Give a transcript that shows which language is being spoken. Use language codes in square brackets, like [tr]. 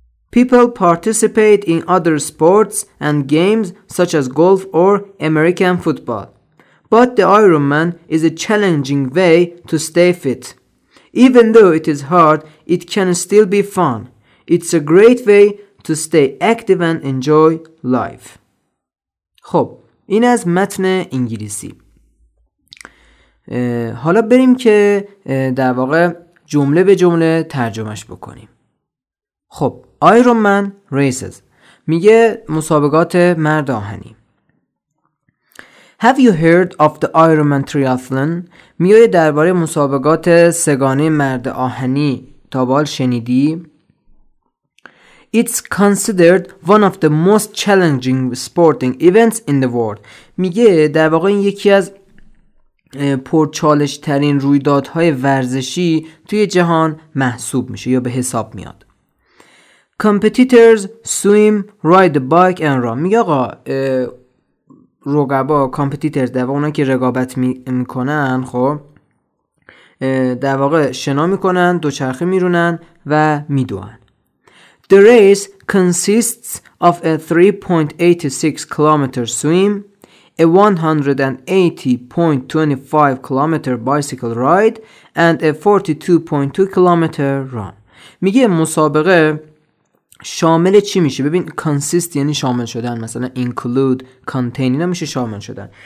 [en] People participate in other sports and games such as golf or American football. But the Ironman is a challenging way to stay fit. Even though it is hard, it can still be fun. It's a great way to stay active and enjoy life. [fa] خب، این از متن انگلیسی. حالا بریم که در واقع جمله به جمله ترجمهش بکنیم. خب، Iron Man Races میگه مسابقات مرد آهنی. [en] Have you heard of the Ironman Triathlon؟ [fa] میای درباره مسابقات سگانه مرد آهنی تا بال شنیدی؟ [en] It's considered one of the most challenging sporting events in the world. [fa] میگه در واقع این یکی از پرچالش ترین رویدادهای ورزشی توی جهان محسوب میشه یا به حساب میاد. [en] Competitors swim, ride a bike and run. [fa] میگه آقا رقبا، کامپتیتر، در واقع اونا که رقابت میکنن، خب در واقع شنا میکنن، دوچرخه میرونن و میدوئن. [en] The race consists of a 3.86 kilometer swim, a 180.25 kilometer bicycle ride and a 42.2 kilometer run. [fa] میگه مسابقه شامل چی میشه؟ ببین consist یعنی شامل شدن، مثلا include، contain اینا میشه شامل شدن.